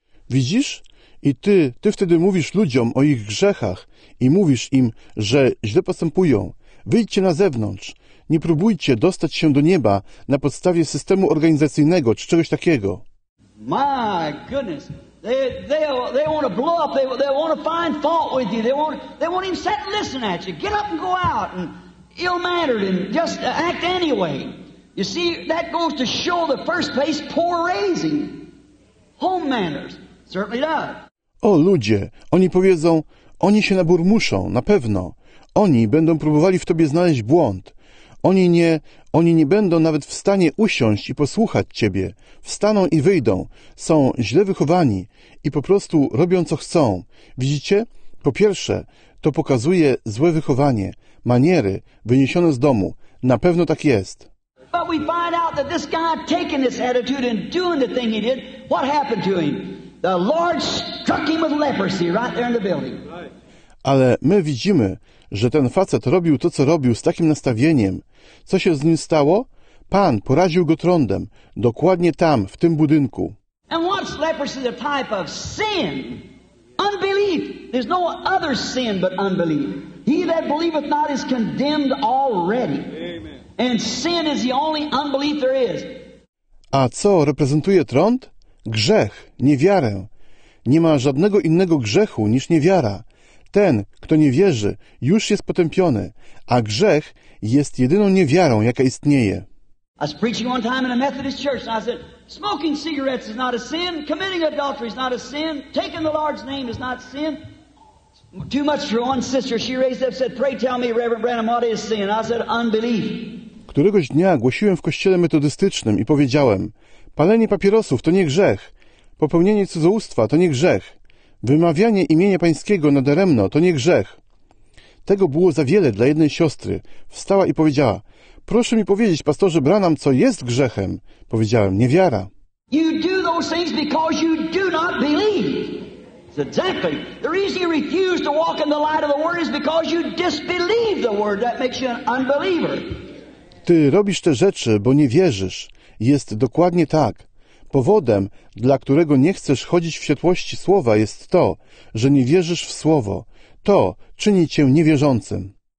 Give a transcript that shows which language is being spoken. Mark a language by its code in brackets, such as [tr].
[pl] Widzisz? I ty wtedy mówisz ludziom o ich grzechach i mówisz im, że źle postępują. Wyjdźcie na zewnątrz. Nie próbujcie dostać się do nieba na podstawie systemu organizacyjnego czy czegoś takiego. [en] My goodness. They want to blow up. They want to find fault with you. They won't even sit and listen at you. Get up and go out and ill-mannered and just act anyway. You see, that goes to show the first place poor raising. Home manners. Certainly does. [pl] O ludzie, oni powiedzą, oni się naburmuszą, na pewno. Oni będą próbowali w tobie znaleźć błąd. Oni nie będą nawet w stanie usiąść i posłuchać ciebie. Wstaną i wyjdą. Są źle wychowani i po prostu robią, co chcą. Widzicie? Po pierwsze, to pokazuje złe wychowanie, maniery wyniesione z domu. Na pewno tak jest. [en] But we find out that this guy taking this attitude and doing the thing he did, what happened to him? The Lord struck him with leprosy right there in the building. [pl] Ale my widzimy, że ten facet robił to, co robił, z takim nastawieniem. Co się z nim stało? Pan poraził go trądem, dokładnie tam, w tym budynku. [en] And what's leprosy the type of sin? Unbelief. There's no other sin but unbelief. He that believeth not is condemned already. Amen. And sin is the only unbelief there is. [pl] A co reprezentuje trąd? Grzech, niewiarę. Nie ma żadnego innego grzechu niż niewiara. Ten, kto nie wierzy, już jest potępiony, a grzech jest jedyną niewiarą, jaka istnieje. [en] I was preaching one time in a Methodist church, and I said, smoking cigarettes is not a sin, committing adultery is not a sin, taking the Lord's name is not sin. Too much for one sister, she raised up and said, pray tell me, Reverend Branham, what is sin? I said, unbelief. [pl] Któregoś dnia głosiłem w kościele metodystycznym i powiedziałem, palenie papierosów to nie grzech, popełnienie cudzołóstwa to nie grzech. Wymawianie imienia Pańskiego nadaremno to nie grzech. Tego było za wiele dla jednej siostry. Wstała i powiedziała, proszę mi powiedzieć, pastorze Branham, co jest grzechem. Powiedziałem, niewiara. [en] You do those things because you do not believe. Exactly. The reason you refuse to walk in the light of the word is because you disbelieve the word. That makes you an unbeliever. [pl] Ty robisz te rzeczy, bo nie wierzysz. Jest dokładnie tak. Powodem, dla którego nie chcesz chodzić w światłości Słowa, jest to, że nie wierzysz w Słowo. To czyni cię niewierzącym.